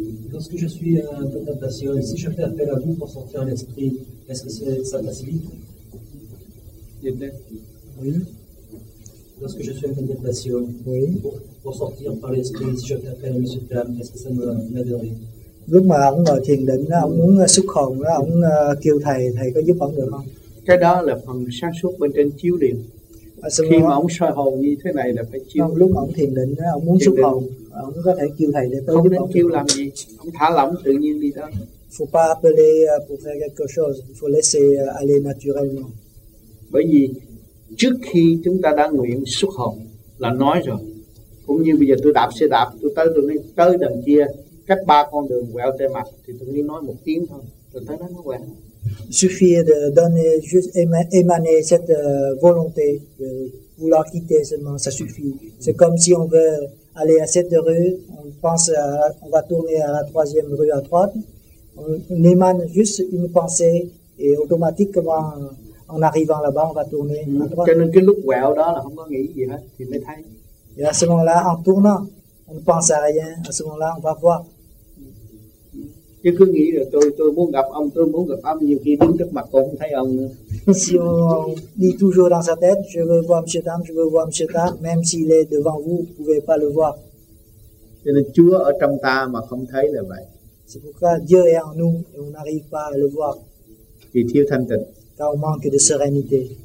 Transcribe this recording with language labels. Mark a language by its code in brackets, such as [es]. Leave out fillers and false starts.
[fr] Lorsque je suis en contemplation, si je fais appel à vous pour sortir l'esprit, est-ce que ça facilite? Oui. Lorsque je suis en contemplation, oui. Pour sortir par l'esprit, si je fais appel à M. Tam, est-ce que ça m'aide? [vi] Lúc mà ông ngồi thiền định, ông muốn xuất hồn, ông kêu thầy, thầy có giúp ông được không? Cái đó là phần sáng suốt bên trên chiếu điện. Khi mà ông soi hồn như thế này là phải chiếu. Lúc ông thiền định, ông muốn xuất hồn, ông có thể kêu thầy để tôi không nên kêu làm gì, ông thả lỏng tự nhiên đi đó. [fr] Faut pas appeler pour faire quelque chose, faut laisser aller naturellement. [vi] Bởi vì trước khi chúng ta đã nguyện xuất hồn là nói rồi. Cũng như bây giờ tôi đạp xe đạp, tôi tới đằng kia cách ba con đường quẹo tay mặt thì tôi chỉ nói một tiếng thôi, tôi tới đó nó quẹo. [fr] Il suffit de donner, juste émaner cette volonté de vouloir quitter seulement, ça suffit. C'est comme si on veut aller à cette rue, on pense on va tourner à la troisième rue à droite, on émane juste une pensée et automatiquement en arrivant là-bas on va tourner à droite. [vi] Cho nên cái lúc quẹo đó là không có nghĩ gì hết thì mới thấy. [fr] Et à ce moment-là, en tournant, on ne pense à rien, à ce moment-là on va voir. [vi] Chứ cứ nghĩ là tôi muốn gặp ông, tôi muốn gặp ông, nhiều khi đứng trước mặt tôi không thấy ông nữa. [fr] Si on dit toujours dans sa tête, je veux voir Monsieur Tam, je veux voir Monsieur Tam, même s'il est devant vous, vous pouvez pas le voir. [vi] Cho nên Chúa ở trong ta mà không thấy là vậy. [fr] C'est pourquoi Dieu est en nous et on n'arrive pas à le voir. [vi] Vì thiếu thanh tịnh. [fr] Car on manque de sérénité.